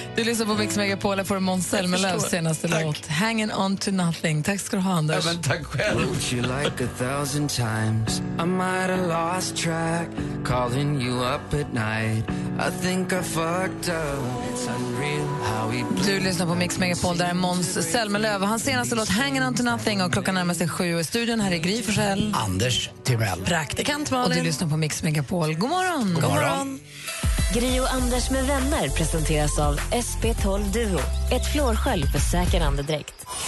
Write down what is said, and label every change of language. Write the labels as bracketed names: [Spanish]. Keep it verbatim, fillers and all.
[Swedish] Du lyssnar på Mix Megapol för Måns Zelmerlöw senaste tack. Låt Hanging on to nothing. Tack ska du ha, Anders. Ja, men tack själv. [English] Wrote you like a thousand times, I might have lost track, calling you up at night, I think I fucked up, it's unreal how we... [Swedish] Du lyssnar på Mix Megapol, där är Måns Zelmerlöw. Hans senaste låt Hanging on to nothing. Och klockan närmar sig sju. I studion här är Gry Forssell, Anders Timell, praktikant Malin. Och du lyssnar på Mix Megapol. God morgon. God morgon. Gry och Anders med vänner presenteras av S P tolv Duo. Ett flårskölj för säker andedräkt.